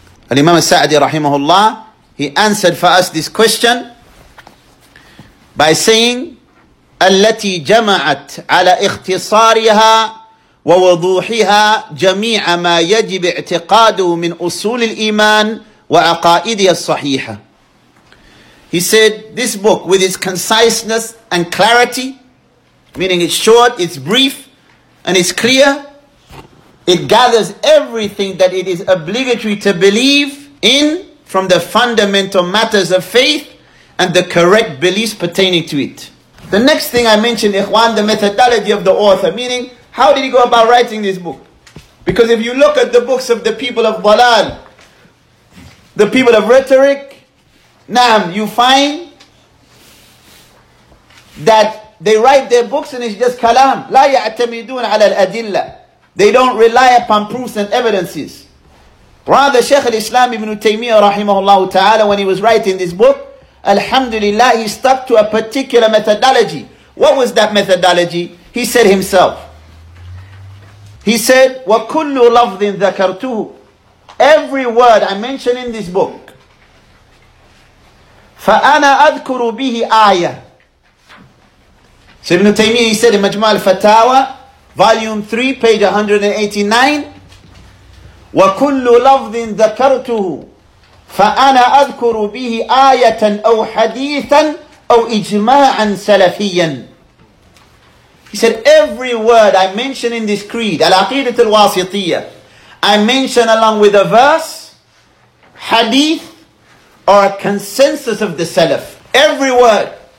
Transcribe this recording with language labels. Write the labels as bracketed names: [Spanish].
[English] Al-Imam al-Sa'di rahimahullah, he answered for us this question by saying, [Arabic] التي جمعت على اختصارها ووضوحها جميع ما يجب اعتقاده من أصول الإيمان وعقائده الصحيحة. [English] He said, this book with its conciseness and clarity, meaning it's short, it's brief, and it's clear, it gathers everything that it is obligatory to believe in from the fundamental matters of faith and the correct beliefs pertaining to it. The next thing I mentioned, Ikhwan, the methodology of the author, meaning, how did he go about writing this book? Because if you look at the books of the people of Dalal, the people of rhetoric, Naam, you find that they write their books and it's just kalam. [Arabic] لا يعتمدون على الأدلة. [English] They don't rely upon proofs and evidences. Rather, Shaykh al-Islam ibn Taymiyyah rahimahullah ta'ala, when he was writing this book, alhamdulillah, he stuck to a particular methodology. What was that methodology? He said himself. He said, [Arabic] وَكُلُّ لَفْظٍ ذَكَرْتُهُ. [English] Every word I mention in this book, [Arabic] فَأَنَا أَذْكُرُ بِهِ آيَةً. [English] So Ibn Taymiyyah, he said in Majmu' al-Fatawa, volume 3, page 189, [Arabic] وَكُلُّ لَفْظٍ ذَكَرْتُهُ فَأَنَا أَذْكُرُ بِهِ آيَةً أَوْ حَدِيثًا أَوْ إِجْمَاعًا سَلَفِيًّا. [English] He said, every word I mention in this creed, Al-Aqidat al-Wasitiyah, I mention along with a verse, hadith, or a consensus of the Salaf. Every word.